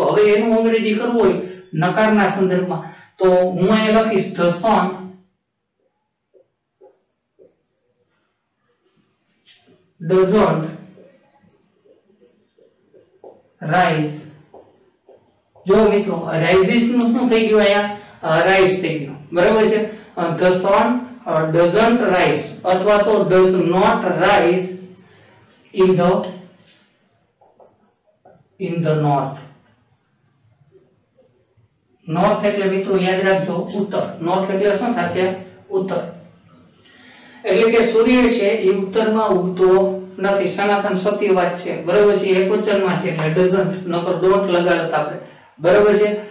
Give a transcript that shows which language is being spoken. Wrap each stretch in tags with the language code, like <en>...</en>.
<gu>તો હવે એનું અંગ્રેજી કરવું હોય નકારના સંદર્ભમાં તો હું અહીં લખીશ</gu> <en>The sun doesn't rise.</en> <gu>જો મિત્રો rises નું શું થઈ ગયું? અહીંયા rise થઈ ગયું, બરાબર છે.</gu> <en>The sun doesn't rise</en> <gu>અથવા તો</gu> <en>does not rise in the north.</en> <gu>North એટલે મિત્રો યાદ રાખજો ઉત્તર. North એટલે શું થશે? ઉત્તર. એટલે કે સૂર્ય છે એ ઉત્તરમાં ઉગતો નથી, સનાતન સત્ય વાત છે, બરોબર છે. એકવચનમાં છે એટલે ડઝન્ટ, નકર ડોન્ટ લગાડતા આપણે, બરોબર છે.</gu>